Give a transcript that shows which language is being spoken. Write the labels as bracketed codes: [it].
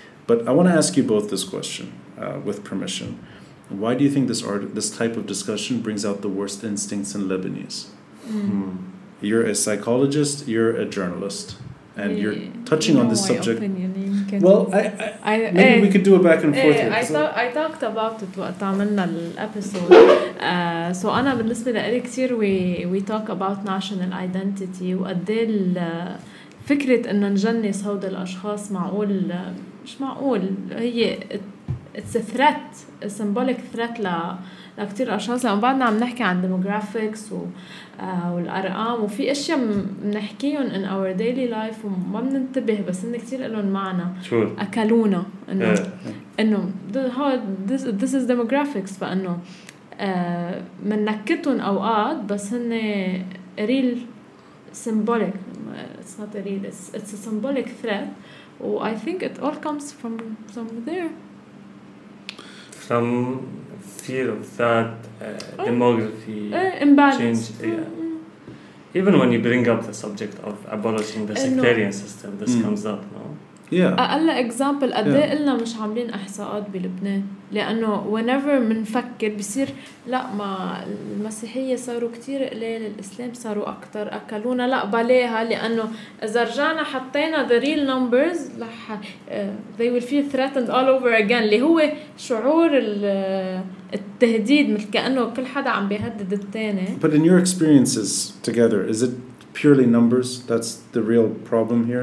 [en] But I want to ask you both this question, with permission. Why do you think this type of discussion brings out the worst instincts in Lebanese? Mm. You're a psychologist, you're a journalist. And you're touching on this subject. Well, maybe we could do a back and forth. I talked about it [ar] وقت عملنا الابيسود. So أنا بالنسبة لي كثير [en] we talk about national identity [ar] وقد فكرة إن نجنس هود الأشخاص معقول مش معقول هي [en] it's a threat, a symbolic threat [ar] لكتير أشخاص لأن بعدنا عم نحكي عن demographics والأرقام وفي أشياء منحكيهم [en] in our daily life [ar] وما بننتبه بس إن كتير لهم معنى [en] sure. [ar] أكلونا إنه [en] this is demographics [ar] فإنه من نكتهم أوقات بس هن [en] real symbolic it's not a real it's a symbolic threat و I think it all comes from there from fear of that demography change. Yeah. Even when you bring up the subject of abolishing the sectarian system, this comes up, no? Yeah. [ar] أقل example قد إيه قلنا مش عاملين إحصاءات بلبنان لأنه whenever منفكر بصير لا ما المسيحية صاروا كتير قليل الإسلام صاروا أكتر أكلونا لا بلاها لأنه إذا رجعنا حطينا [en] the real numbers [ar] لح [en] they will feel threatened all over again [ar] اللي هو شعور التهديد مثل كأنه كل حدا عم بيهدد التاني. [en] But in your experiences together, is it purely numbers, that's the real problem here?